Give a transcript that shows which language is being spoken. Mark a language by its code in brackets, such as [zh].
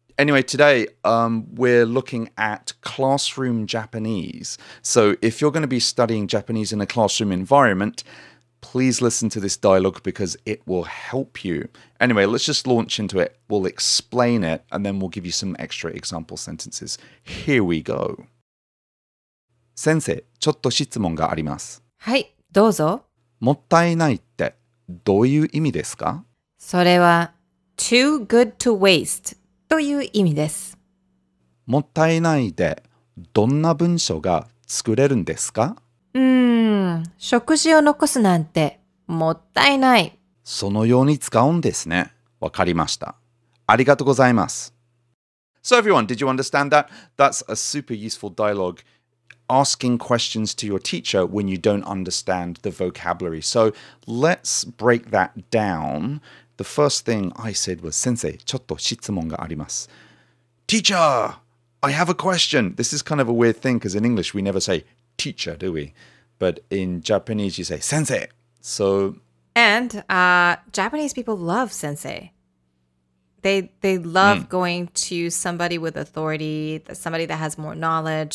[en] Anyway, today we're looking at classroom Japanese. So if you're going to be studying Japanese in a classroom environment, please listen to this dialogue because it will help you. Anyway, let's just launch into it. We'll explain it and then we'll give you some extra example sentences. Here we go. [ja] 先生、ちょっと質問があります。はい、どうぞ。もったいないってどういう意味ですか？それは、 [en] too good to waste [ja] という意味です。もったいないでどんな文章が作れるんですか？食事を残すなんてもったいない。そのように使うんですね。わかりました。ありがとうございます。 [en] So everyone, did you understand that? That's a super useful dialogue. Asking questions to your teacher when you don't understand the vocabulary. So let's break that down. The first thing I said was, [ja] 先生、ちょっと質問があります。 [en] Teacher, I have a question. This is kind of a weird thing because in English we never say teacher, do we? But in Japanese, you say sensei. So, and Japanese people love sensei. They love going to somebody with authority, somebody that has more knowledge.